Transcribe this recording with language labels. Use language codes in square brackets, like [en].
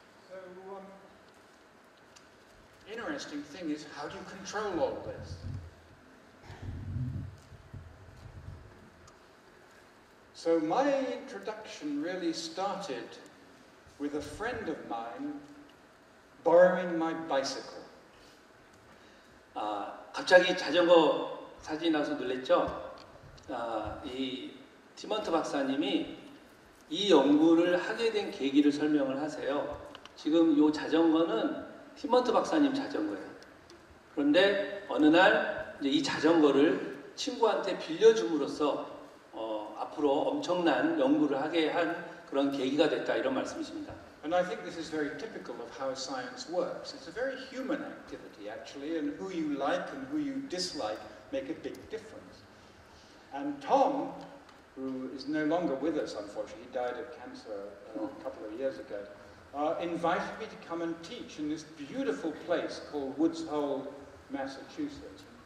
[en] So, interesting thing is how do you control all this? So my introduction really started with a friend of mine borrowing my bicycle. [ko] 아, 갑자기 자전거 사진 나서 놀랬죠? 아, 이 티먼트 박사님이 이 연구를 하게 된 계기를 설명을 하세요. 지금 이 자전거는 티먼트 박사님 자전거예요. 그런데 어느 날 이제 이 자전거를 친구한테 빌려줌으로써 앞으로 엄청난 연구를 하게 한 그런 계기가 됐다 이런 말씀이십니다. [en] And I think this is very typical of how science works. It's a very human activity actually and who you like and who you dislike make a big difference. And Tom, who is no longer with us unfortunately, he died of cancer a couple of years ago, invited me to come and teach in this beautiful place called Woods Hole, Massachusetts.